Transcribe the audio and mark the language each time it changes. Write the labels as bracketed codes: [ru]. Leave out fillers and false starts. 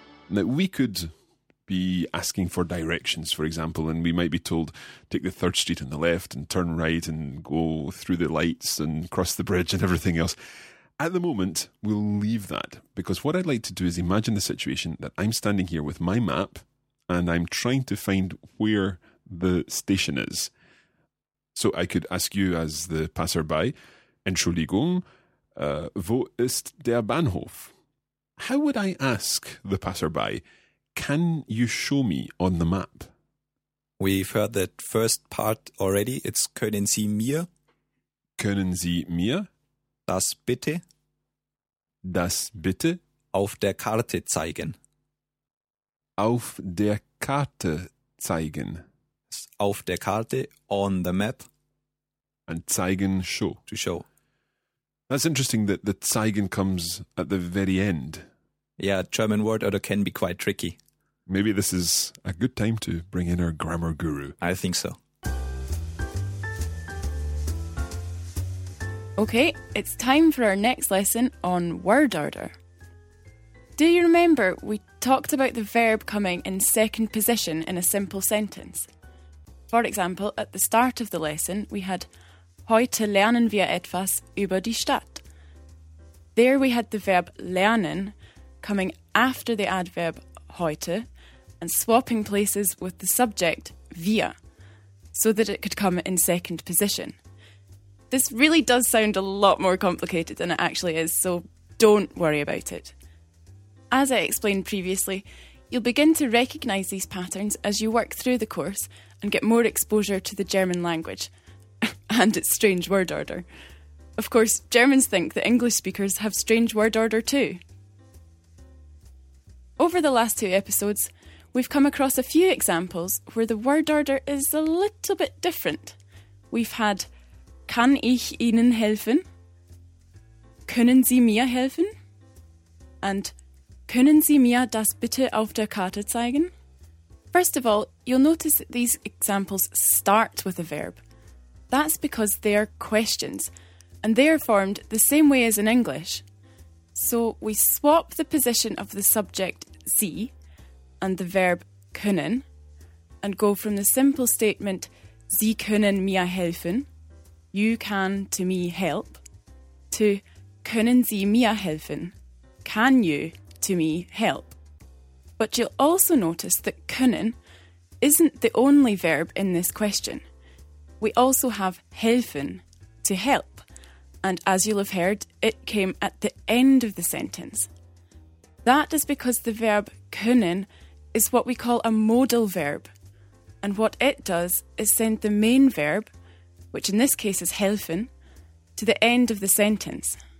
[en] Now, we could be asking for directions, for example, and we might be told, take the third street on the left and turn right and go through the lights and cross the bridge and everything else. At the moment, we'll leave that, because what I'd like to do is imagine the situation that I'm standing here with my map and I'm trying to find where the station is. So I could ask you as the passerby, [de] Entschuldigung, wo ist der Bahnhof? [en] How would I ask the passerby, can you show me on the map? We've heard that first part already. It's [de] können Sie mir? Können Sie mir? Das bitte? Das bitte? Auf der Karte zeigen. Auf der Karte zeigen. Auf der Karte, [en] on the map. And zeigen show. To show. That's interesting that the zeigen comes at the very end. Yeah, German word order can be quite tricky. Maybe this is a good time to bring in our grammar guru. I think so. Okay, it's time for our next lesson on word order. Do you remember we talked about the verb coming in second position in a simple sentence? For example, at the start of the lesson, we had [de] Heute lernen wir etwas über die Stadt. [en] There we had the verb lernen coming after the adverb heute and swapping places with the subject wir so that it could come in second position. This really does sound a lot more complicated than it actually is, so don't worry about it. As I explained previously, you'll begin to recognise these patterns as you work through the course and get more exposure to the German language and its strange word order. Of course, Germans think that English speakers have strange word order too. Over the last two episodes, we've come across a few examples where the word order is a little bit different. We've had, [de] kann ich Ihnen helfen? Können Sie mir helfen? [en] And, [de] können Sie mir das bitte auf der Karte zeigen? [en] First of all, you'll notice that these examples start with a verb. That's because they are questions, and they are formed the same way as in English. So we swap the position of the subject Sie and the verb können and go from the simple statement [de] Sie können mir helfen, [en] you can to me help, to [de] können Sie mir helfen, [en] can you to me help. But you'll also notice that können isn't the only verb in this question. We also have helfen, to help, and as you'll have heard, it came at the end of the sentence. That is because the verb können is what we call a modal verb, and what it does is send the main verb, which in this case is helfen, to the end of the sentence.